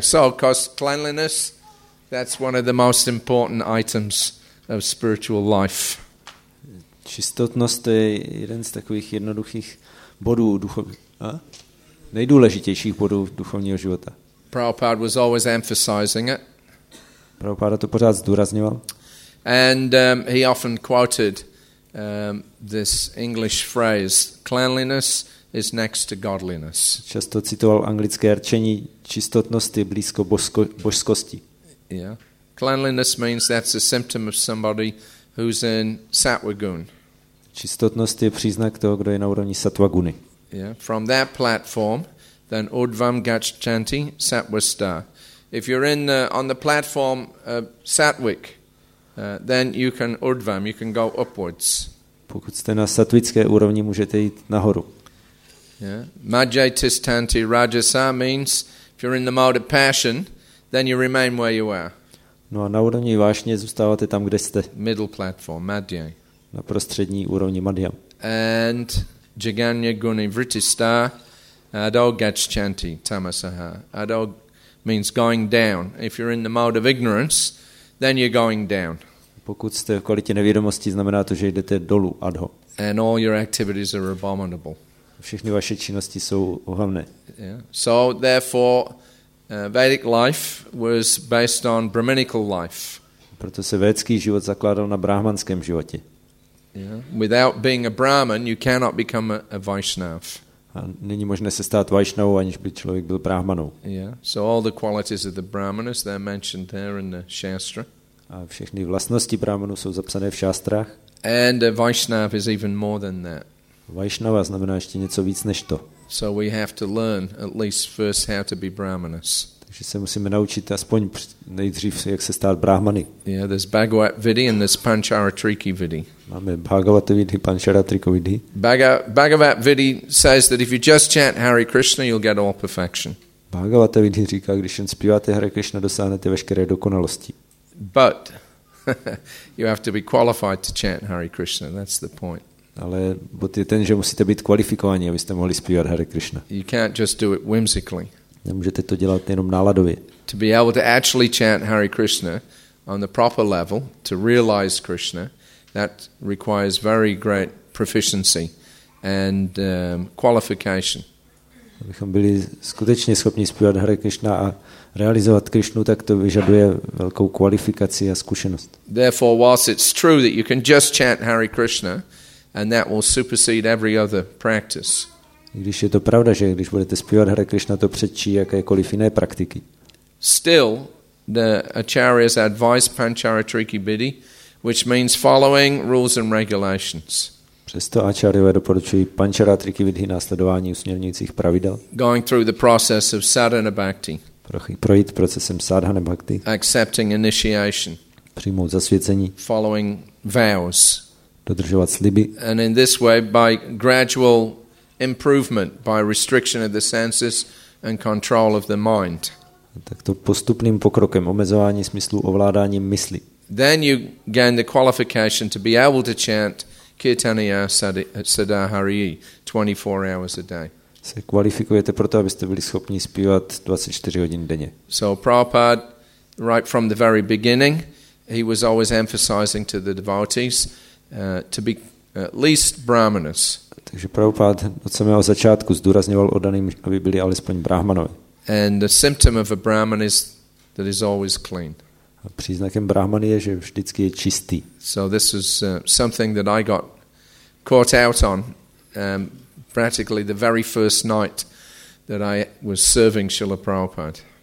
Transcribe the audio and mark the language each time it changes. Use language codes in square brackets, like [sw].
[en] So, of course, cleanliness, that's one of the most important items of spiritual life. [cs] Čistotnost je jeden z takových jednoduchých bodů nejdůležitějších bodů duchovního života. [en] Prabhupada was always emphasizing it. [cs] Prabhupada to pořád zdůrazňoval. [en] And he often quoted this English phrase, cleanliness is next to godliness. [cs] Často citoval anglické rčení, čistotnost je blízko božskosti. [en] Yeah. Cleanliness means that's a symptom of somebody who's in sattvagun. [cs] Čistotnost je příznak toho, kdo je na úrovni sattvaguny. [en] Yeah. From that platform, then [sa] urdhvam gacchanti sattvasta. [en] If you're in on the platform sattvic, then you can urdvam, you can go upwards. [cs] Pokud jste na sattvické úrovni, můžete jít nahoru. [en] Yeah. [sa] Majjay tisthanti rajasa [en] means if you're in the mode of passion, then you remain where you are. [cs] No a na úrovni vášně zůstáváte tam, kde jste. [en] Middle platform, madjay. [cs] Na prostřední úrovni madhyam. [sa] And jaganya guni vritista ado gacchanti tamasaha. [en] Ado means going down. If you're in the mode of ignorance, then you're going down. [cs] Pokud jste v kvalitě nevědomosti, znamená to, že jdete dolů ad hoc. [en] And all your activities are abominable. [cs] Všechny vaše činnosti jsou ohavné. [en] Yeah. So therefore Vedic life was based on brahminical life. [cs] Proto se vědecký život zakládal na brahmanském životě. [en] Yeah. Without being a Brahman, you cannot become a Vaishnav. [cs] A není možné se stát Vaishnavou, aniž by člověk byl Brahmanou. [en] Yeah. So all the qualities of the Brahman as they're mentioned there in the Shastra. [cs] A všechny vlastnosti Brahmanů jsou zapsané v šástrách. [en] And a Vaishnav is even more than that. [cs] Vaishnava znamená ještě něco víc než to. [en] So we have to learn at least first how to be Brahmanas. [cs] Takže se musíme naučit aspoň nejdřív, jak se stát brahmany. [en] Yeah, there's Bhagavat Vidhi and there's Pancharatriki Vidhi. [cs] Máme Bhagavat Vidhi, Pancharatriki Vidhi. [en] Bhagavat Vidhi says that if you just chant Hare Krishna, you'll get all perfection. [cs] Bhagavat Vidhi říká, když jen zpíváte Hare Krishna, dosáhnete veškeré dokonalosti. [en] But you have to be qualified to chant Hare Krishna. That's the point. [cs] Ale bod je ten, že musíte být kvalifikovaní, abyste mohli zpívat Hare Krishna. [en] You can't just do it whimsically. [cs] Nemůžete to dělat jenom náladově. [en] To be able to actually chant Hare Krishna, on the proper level to realize Krishna, that requires very great proficiency and qualification. [cs] Abychom byli skutečně schopni zpívat Hare Krishna a realizovat Krishnu, tak to vyžaduje velkou kvalifikaci a zkušenost. [en] Therefore, whilst it's true that you can just chant Hare Krishna, and that will supersede every other practice. [cs] Když je to pravda, že když budete zpívat Hare Krishna, to předčí jakékoliv jiné praktiky. [en] Still, the acharyas advise pancharatriki bidhi, which means following rules and regulations. [cs] Přesto acharyové doporučují pancharatriki vidhi, následování usměrnících pravidel. [en] Going through the process of sadhana bhakti. [cs] Projít procesem sadhana bhakti. [en] Accepting initiation. [cs] Přijmout zasvěcení. [en] Following vows. [cs] Dodržovat sliby. [en] And in this way, by gradual improvement, by restriction of the senses and control of the mind. [cs] Takto postupným pokrokem omezování smyslu, ovládání mysli. [en] Then you gain the qualification to be able to chant Kirtaniya Sadahariyi 24 hours a day. [cs] Se kvalifikujete proto, abyste byli schopni zpívat 24 hodin denně. [en] So Prabhupada, right from the very beginning, he was always emphasizing to the devotees to be at least brahmanas. [cs] Takže Prabhupada od samého začátku zdůrazňoval oddaným, aby byli alespoň brahmanové. [en] And the symptom of a brahman is that is always clean. [cs] A příznakem brahmany je, že vždycky je čistý. [en] So this is something that I got caught out on practically the very first night that I was serving Srila Prabhupada.